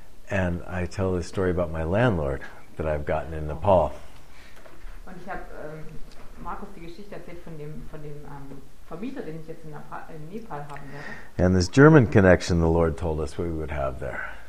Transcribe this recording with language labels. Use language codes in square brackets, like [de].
[en] And I tell this story about my landlord that I've gotten in Nepal. [de] Und ich habe Markus die Geschichte erzählt von dem Vermieter, den ich jetzt in Nepal haben werde. [en] And this German connection the Lord told us we would have there.